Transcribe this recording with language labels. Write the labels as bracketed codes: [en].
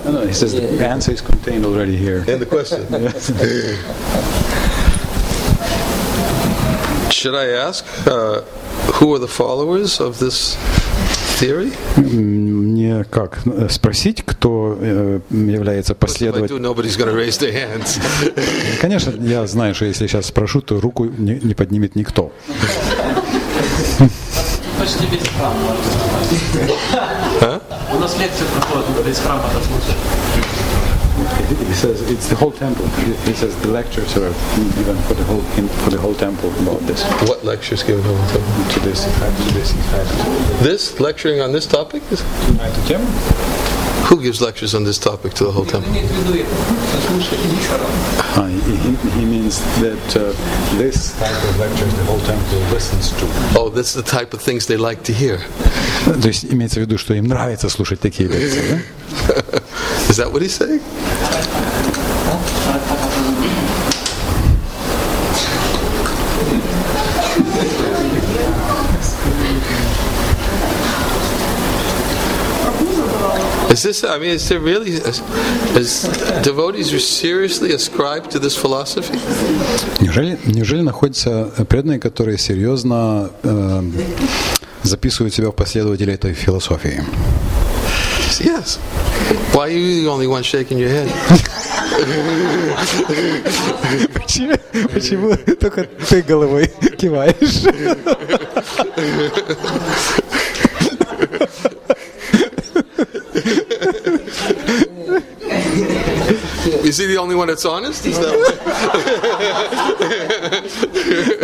[en] No, he says the answer is contained already here. In the question. Should I ask who are the followers of this theory? [ru] Мне мне как спросить, кто является последователем? Конечно, я знаю, что если сейчас спрошу, то руку не поднимет никто. Почти весь храм. У нас лекция проходит весь храм, это [en] He says it's the whole temple. He says the lectures are given for the whole temple about this. What lectures given for the whole temple? To this effect. This lecturing on this topic is. Who gives lectures on this topic to the whole temple? He means that this type of lectures the whole temple listens to. Oh, this is the type of things they like to hear. [ru] То есть имеется в виду, что им нравится слушать такие лекции, да? [en] Is that what he's saying? Is this, I mean, is there really, is devotees are seriously ascribed to this philosophy? [ru] Неужели находятся преданные, которые серьезно записывают себя в последователи этой философии? [en] Yes. Why are you the only one shaking your head? [ru] Почему только ты головой киваешь? [en] Is he the only one that's honest? Is that